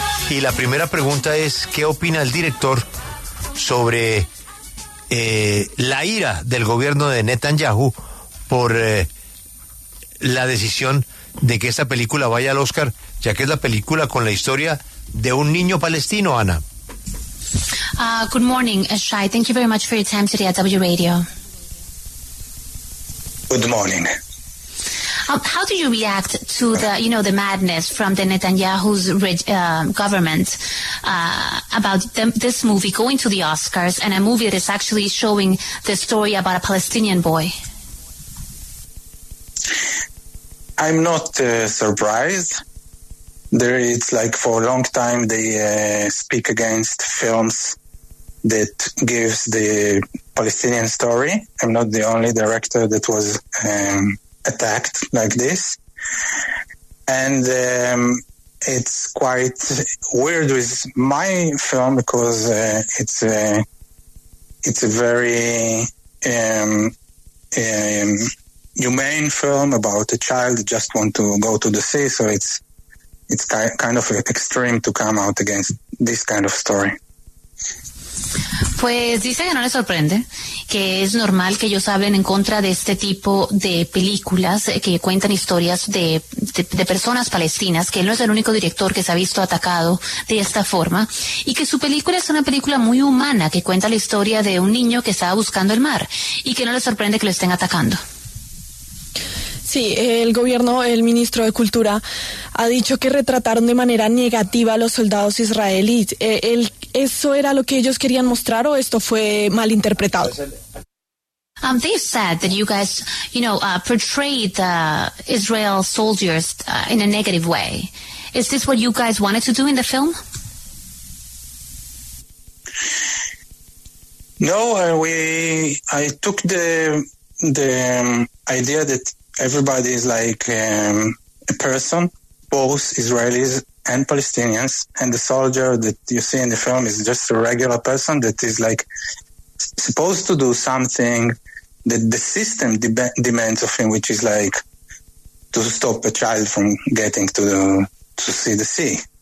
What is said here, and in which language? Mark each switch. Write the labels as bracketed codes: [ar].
[es] Y la primera pregunta es, ¿qué opina el director sobre la ira del gobierno de Netanyahu por la decisión de que esta película vaya al Oscar, ya que es la película con la historia de un niño palestino, Ana? [en] Good morning, Shai. Thank you very much for your time today at W Radio. Good morning. How do you react to the, you know, the madness from the Netanyahu's government about this movie going to the Oscars and a movie that is actually showing the story about a Palestinian boy? I'm not surprised. There, it's like for a long time they speak against films that gives the Palestinian story. I'm not the only director that was attacked like this. And it's quite weird with my film because it's a very humane film about a child that just want to go to the sea. So it's kind of extreme to come out against this kind of story. [es] Pues dice que no le sorprende, que es normal que ellos hablen en contra de este tipo de películas que cuentan historias de personas palestinas, que él no es el único director que se ha visto atacado de esta forma, y que su película es una película muy humana, que cuenta la historia de un niño que estaba buscando el mar, y que no le sorprende que lo estén atacando. Sí, el gobierno, el ministro de Cultura, ha dicho que retrataron de manera negativa a los soldados israelíes. ¿Eso era lo que ellos querían mostrar o esto fue mal interpretado? [en] They said that you guys, you know, portrayed the Israel soldiers in a negative way. Is this what you guys wanted to do in the film? No, I took the idea that everybody is like a person, both Israelis and Palestinians, and the soldier that you see in the film is just a regular person that is like supposed to do something that the system demands of him, which is like to stop a child from getting to see the sea.